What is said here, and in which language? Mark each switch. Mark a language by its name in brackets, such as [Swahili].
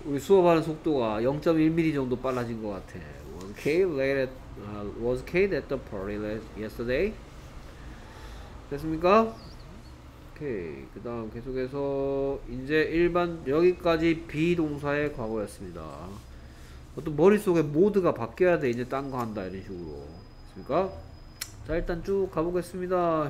[Korean] 우리 수업하는 속도가 0.1mm 정도 빨라진 것 같아. [English] Was Kate late at, was Kate at the party yesterday? [Korean] 됐습니까? Okay. 그 다음 계속해서 이제 일반 여기까지 비동사의 과거였습니다. 어떤 머릿속에 모드가 바뀌어야 돼. 이제 딴 거 한다 이런 식으로. 됐습니까? 자 일단 쭉 가보겠습니다.